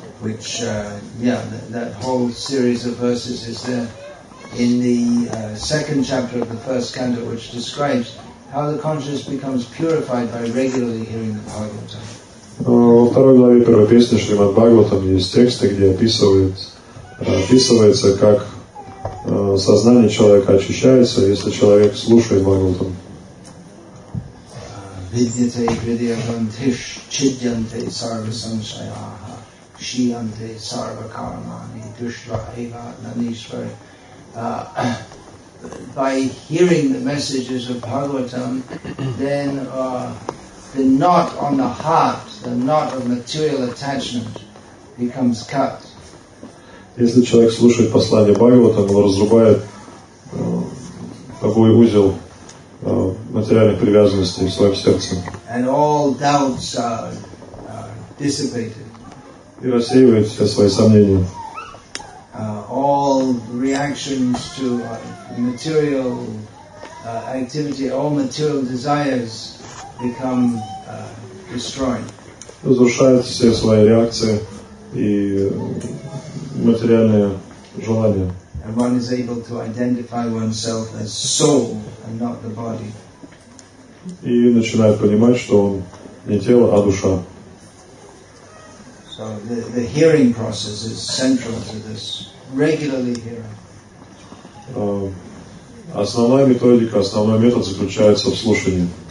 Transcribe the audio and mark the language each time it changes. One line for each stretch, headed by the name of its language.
English: Which, that whole series of verses is there in the second chapter of the first canto, which describes how the conscience becomes purified by regularly hearing the Bhagavatam.
Russian: Во второй главе первой песни Шримад Бхагаватам есть тексты, где описывается, как сознание человека очищается, если человек слушает Бхагаватам.
Sanskrit: Vidyate vidyavantish chidyante sarva samsayaha shiyante sarva karmani dushva eva nanishvare.
English: By hearing the messages of Bhagavatam, then the knot on the heart, the knot of material attachment, becomes cut.
Russian: Если человек слушает послание Бхагавата, он разрубает такой узел материальных привязанностей в своем сердце.
English: And all doubts are dissipated.
Russian: И рассеивает все свои сомнения.
English: All reactions to material activity, all material desires become destroyed.
Russian: Разрушает все свои реакции и материальные желания.
English: And one is able to identify oneself as soul and not the body.
Russian: И начинает понимать, что он не тело, а душа.
English: So the hearing process is central to this. Regularly hearing.
Russian: Основная методика, основной метод заключается в слушании.